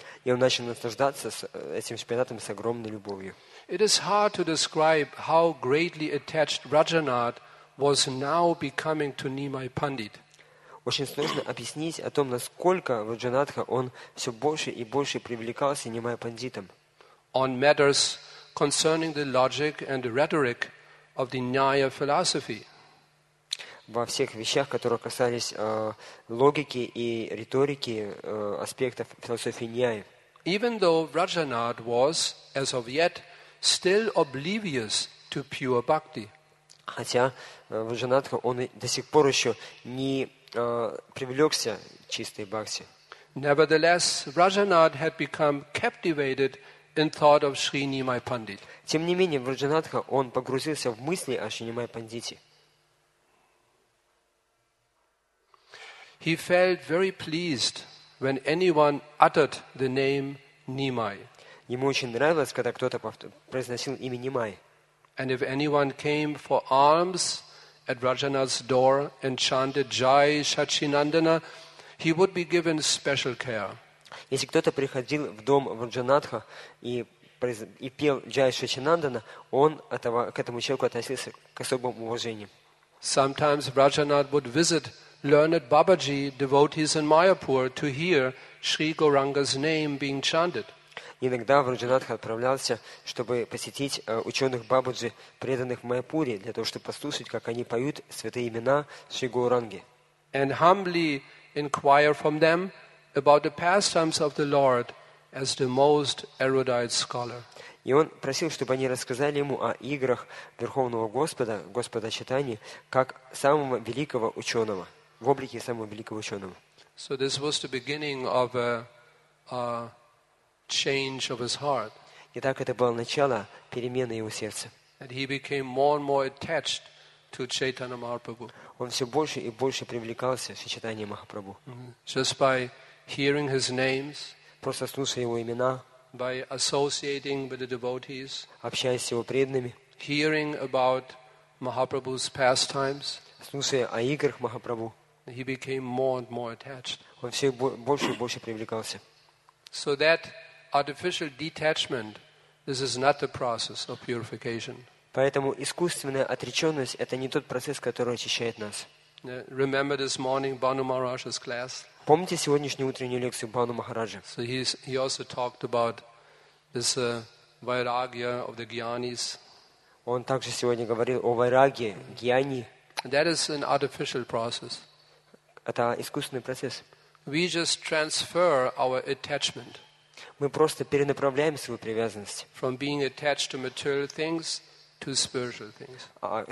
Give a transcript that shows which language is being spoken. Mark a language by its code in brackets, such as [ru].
[ru] И он начал наслаждаться этим шпинатом с огромной любовью. [en] It is hard to describe how greatly attached Rajanath was now becoming to Nimai Pandit. [ru] Очень сложно объяснить о том, насколько Раджанатха он все больше и больше привлекался Нимай Пандитом. [en] On matters concerning the logic and the rhetoric of the Nyaya philosophy. [ru] Во всех вещах, которые касались логики и риторики аспектов философии Ньяя. [en] Even though Rajanath was, as of yet, still oblivious to pure bhakti. [ru] Хотя Раджанатха он до сих пор еще не привлекся чистой бхакти. [en] Nevertheless, Rajanath had become captivated in thought of Sri Nimai Pandit. [ru] Тем не менее, Раджанатха он погрузился в мысли о Шри Нимай Пандите. [en] He felt very pleased when anyone uttered the name Nimai. [ru] Ему очень нравилось, когда кто-то произносил имя Нимай. [en] And if anyone came for alms at Rajanath's door and chanted Jai Shachinandana, he would be given special care. [ru] Если кто-то приходил в дом Раджанатха и пел Джай Шачинандана, он к этому человеку относился к особому уважению. [en] Sometimes Rajanath would visit learned Babaji devotees in Mayapur to hear Sri Gauranga's name being chanted. [ru] Иногда Раджанатха отправлялся, чтобы посетить ученых Бабаджи, преданных в Майяпуре, для того, чтобы послушать, как они поют святые имена Шри Гауранги. [en] And humbly inquire from them about the pastimes of the Lord as the most erudite scholar. [ru] И он просил, чтобы они рассказали ему о играх Верховного Господа, Господа Читания, как самого великого ученого, в облике самого великого ученого. [en] So this was the beginning of a change of his heart. [ru] Итак, это было начало перемены его сердца. [en] And he became more and more attached to Chaitanya Mahaprabhu. [ru] Он все больше и больше привлекался к Чайтанье Махапрабху. [en] Just by hearing his names, [ru] просто слушая его имена, [en] by associating with the devotees, [ru] общаясь с его преданными, [en] hearing about Mahaprabhu's pastimes, [ru] слушая о играх Махапрабху, [en] he became more and more attached. [ru] Он все больше и больше привлекался. [en] So that artificial detachment, this is not the process of purification. [ru] Поэтому искусственная отреченность это не тот процесс, который очищает нас. [en] Remember this morning Banu Maharaj's class? [ru] Помните сегодняшнюю утреннюю лекцию Бану Махараджа? [en] So he also talked about this vairagya of the gyanis. [ru] Он также сегодня говорил о вайраге, гьяни. [en] That is an artificial process. [ru] Это искусственный процесс. [en] We just transfer our attachment. [ru] Мы просто перенаправляем свою привязанность. [en] From being attached to material things to spiritual things.